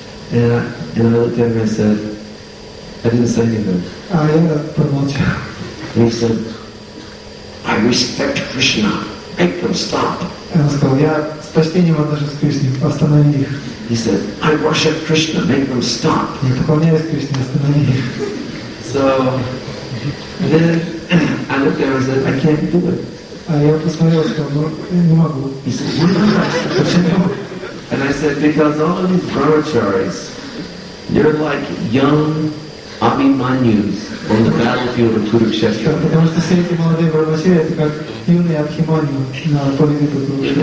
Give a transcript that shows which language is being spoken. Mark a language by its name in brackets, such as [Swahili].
[English] And I looked at him and I said, I didn't say anything. Ah, yeah, promote. And he said, I respect Krishna. Make them stop. [Russian] Он сказал, я с почтением отношусь к Кришне, останови их. [English] He said, I worship Krishna. Make them stop. [Russian] Я поклоняюсь Кришне, останови их. [English] So then I looked at him and said, I can't do it. [Russian] А я посмотрел, сказал, ну, я не могу. [English] He said, [Russian] почему? [English] And I said, because all of these brahmacharis, they're like young Abhimanyus on the battlefield of Kurukshetra. [Russian] Потому что все эти молодые брахмачари, это как юные Абхиманью на поле битвы Курукшетра.